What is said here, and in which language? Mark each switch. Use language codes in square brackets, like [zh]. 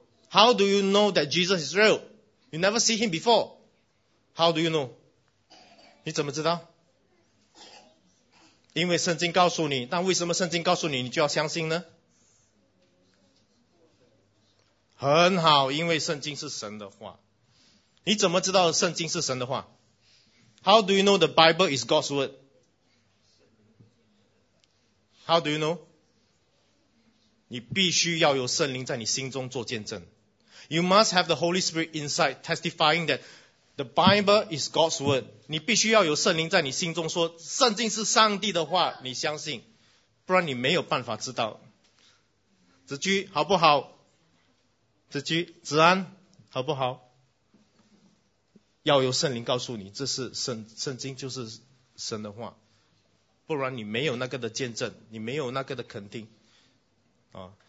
[en] How do you know that Jesus is real? You never see him before. How do you know? [zh] 你怎么知道？因为圣经告诉你，但为什么圣经告诉你，你就要相信呢？很好，因为圣经是神的话。你怎么知道圣经是神的话 [en] ？How do you know the Bible is God's word? How do you know? [zh] 你必须要有圣灵在你心中做见证。 [en] You must have the Holy Spirit inside testifying that. The Bible is God's word. [zh] 你必须要有圣灵在你心中说圣经是上帝的话，你相信，不然你没有办法知道。子居好不好？子居子安好不好？要有圣灵告诉你，这是圣经就是神的话，不然你没有那个的见证，你没有那个的肯定啊。